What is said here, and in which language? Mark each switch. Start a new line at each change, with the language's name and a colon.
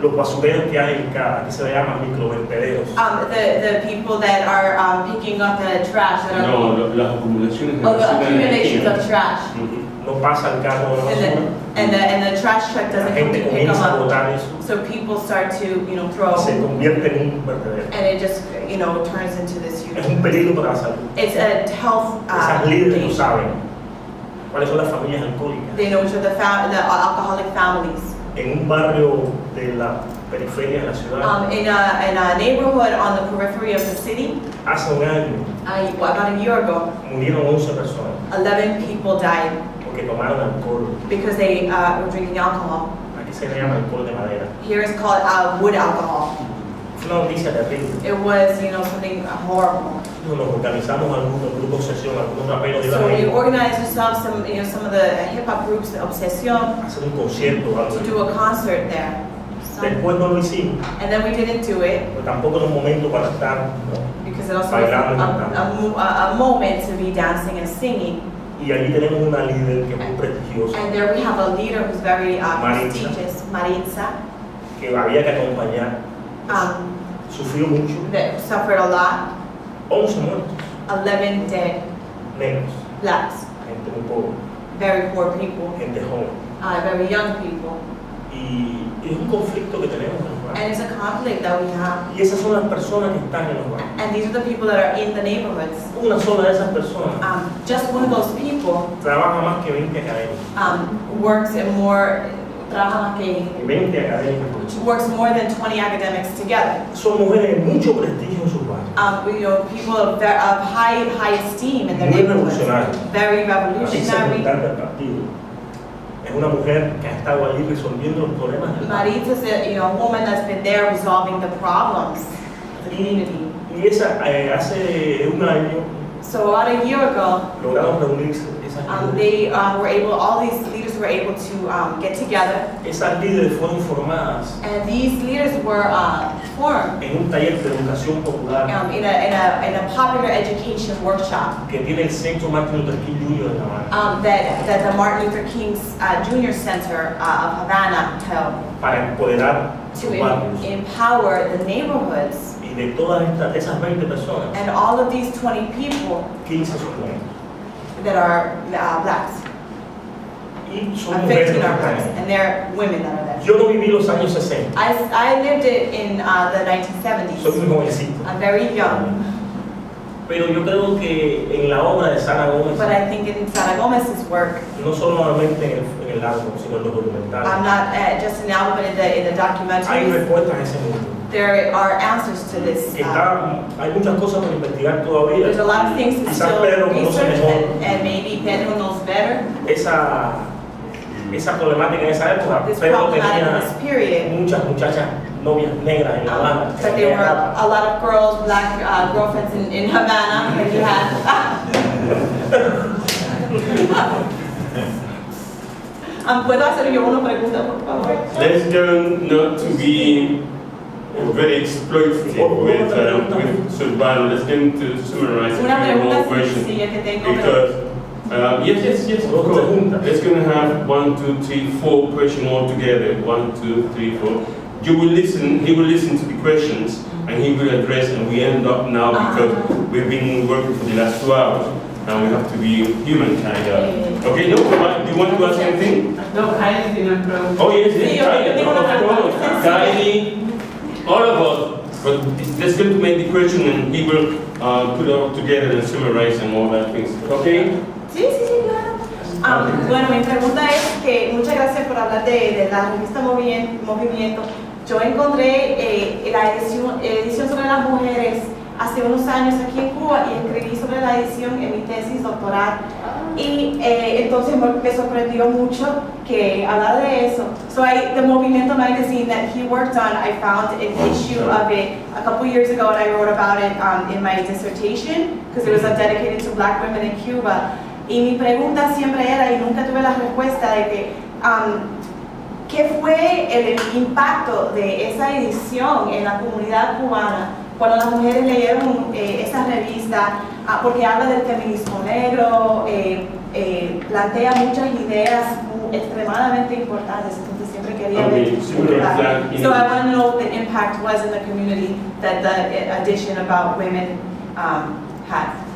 Spanish: Los basureros que hay en cada, que se le llaman microvertederos.
English: The people that are picking up the trash. That
Spanish: no,
English: are
Spanish: no, las acumulaciones de basura.
English: The accumulations of trash.
Spanish: No pasa el carro de la basura.
English: And the trash truck doesn't come to pick them up. So people start to, you know, throw.
Spanish: Se convierte en un vertedero.
English: And it just, you know, turns into this huge.
Spanish: Es un peligro para la salud.
English: It's a health danger.
Spanish: No saben cuáles son las familias alcohólicas.
English: They know which are the alcoholic families.
Spanish: En un barrio de la periferia de la ciudad.
English: In a neighborhood on the periphery of the city.
Spanish: Hace un año.
English: About a year ago.
Spanish: Murieron 11 personas.
English: 11 people died.
Spanish: Que tomaron alcohol.
English: Because they were drinking alcohol.
Spanish: Aquí se le llama alcohol de madera.
English: Here it's called wood alcohol.
Spanish: No, dice de aquí.
English: It was, you know, something horrible.
Spanish: Nos organizamos algunos grupos obsesión, algunos raperos.
English: So we organized ourselves, some, you know, some of the hip hop groups, obsesión.
Spanish: Hacer un concierto, algo.
English: To do a concert there.
Spanish: Después no lo hicimos.
English: And then we didn't do it.
Spanish: Pero tampoco era un momento para estar. No,
English: because it also a moment to be dancing and singing.
Spanish: Y allí tenemos una líder que es muy prestigiosa.
English: And there we have a leader who's very prestigious, Maritza.
Spanish: Que había que acompañar. Sufrió mucho.
English: That suffered a lot.
Spanish: 11 muertos.
English: 11 dead.
Spanish: Negros.
English: Blacks.
Spanish: Gente muy pobre.
English: Very poor people.
Spanish: Gente joven.
English: Very young people.
Spanish: Y es un conflicto que tenemos.
English: And it's a conflict that we have.
Spanish: Y esas son las personas que están en los barrios.
English: And these are the people that are in the neighborhoods.
Spanish: Una sola de esas personas.
English: Just one of those people.
Spanish: Trabaja más que 20 academias.
English: Works in more.
Spanish: Trabaja más que 20 academias.
English: Works more than 20 academics together.
Spanish: Son mujeres de mucho prestigio en sus barrios.
English: You know, people of high esteem in their neighborhoods.
Spanish: Muy revolucionario.
English: Very revolutionary.
Spanish: Es una mujer que ha estado allí resolviendo los problemas.
English: Maritza is a woman that's been there resolving the problems.
Spanish: Y esa hace un año.
English: So about a year ago.
Spanish: Lograron reunirse esas líderes.
English: They were able. All these leaders were able to get together.
Spanish: Esas líderes fueron formadas.
English: And these leaders were formed.
Spanish: En un taller de educación popular.
English: In a popular education workshop.
Spanish: Que tiene el centro Martin Luther King Jr. de Havana.
English: That the Martin Luther King's Junior Center of Havana held.
Spanish: Para empoderar.
English: To empower the neighborhoods.
Spanish: Y de todas esas 20 personas.
English: And all of these 20 people.
Spanish: 15 son mujeres.
English: That are blacks.
Spanish: Y son mujeres.
English: And they're women that are there.
Spanish: Yo no viví los años 60.
English: I lived it in the 1970s.
Spanish: Soy muy jovencito.
English: I'm very young.
Spanish: Pero yo creo que en la obra de Sara Gómez.
English: But I think in Sara Gómez's work.
Spanish: No solo normalmente en el álbum, sino en los documentales.
English: I'm not just in the album, but in the documentaries.
Spanish: Hay respuestas a ese mundo.
English: there are answers to this. There's a lot of things to still research, and maybe Pedro knows better.
Spanish: Esa problemática en esa época, pero tenía muchas muchachas novias negras en Havana.
English: But there were a lot of girls, black girlfriends in Havana, that you had.
Spanish: ¿Puedo hacer yo una pregunta, por favor?
English: Let's learn not to be very exploitative with Zurbano. Let's get to summarize
Spanish: una
English: the whole question. Yes, of course. It's going to have 1, 2, 3, 4 questions all together. 1, 2, 3, 4. You will listen, he will listen to the questions, and he will address, and we end up now because we've been working for the last 2 hours, and we have to be human, kind of. Okay, no, do you want to ask anything? No, Kylie didn't grow. Oh, yes, Kylie, all of us. But let's get to make the question, and he will put it all together and summarize and all that things. Okay?
Spanish: Sí, claro. Bueno, mi pregunta es que muchas gracias por hablar de la revista Movimiento. Yo encontré la edición sobre las mujeres hace unos años aquí en Cuba y escribí sobre la edición en mi tesis doctoral. Y entonces me sorprendió mucho que hablar de eso.
English: So the Movimiento magazine that he worked on, I found an issue of it a couple years ago, and I wrote about it in my dissertation because it was dedicated to Black women in Cuba.
Spanish: Y mi pregunta siempre era, y nunca tuve la respuesta, de que, ¿qué fue el impacto de esa edición en la comunidad cubana cuando las mujeres leyeron esa revista? Porque habla del feminismo negro, plantea muchas ideas extremadamente importantes, entonces siempre quería ver.
English: Okay, so I want to know what the impact was in the community that the edition about women had.